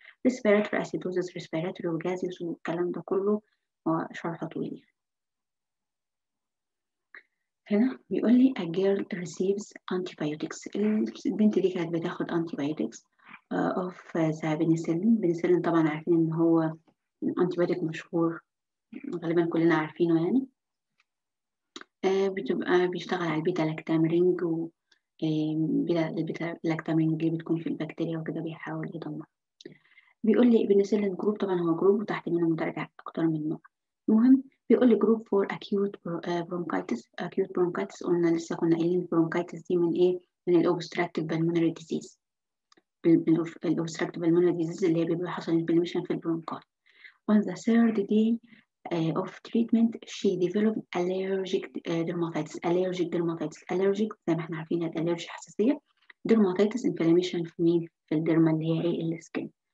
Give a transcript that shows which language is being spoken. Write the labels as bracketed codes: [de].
[ar] respiratory acidosis, respiratory gases والكلام ده كله شرح طويل. هنا بيقول لي [en] a girl receives antibiotics، [ar] البنت دي كانت بتاخد [en] antibiotics of the penicillin. [ar] penicillin طبعا عارفين ان هو antibiotic مشهور، غالبا كلنا عارفينه يعني. بتبقى بيشتغل على البيتا لاكتامرينج، و البيتا لاكتامرينج اللي بتكون في البكتيريا وكده بيحاول يدمر. بيقول لي بنسلين جروب، طبعا هو جروب وتحت منه مدرجة اكتر من نوع. المهم بيقول لي جروب فور acute برونكايتس، acute برونكايتس قلنا لسه كنا قايلين برونكايتس دي من ايه، من الاوبستراكتيف بالمونري ديزيز، الاوبستراكتيف بالمونري ديزيز اللي هي بيبقى حصل انفلاميشن في البرونكات. [en] on the third day of treatment she developed allergic dermatitis. [ar] allergic dermatitis، allergic زي ما احنا عارفين الالرجي حساسية، dermatitis inflammation في مين، في الديرما اللي هي ايه السكن.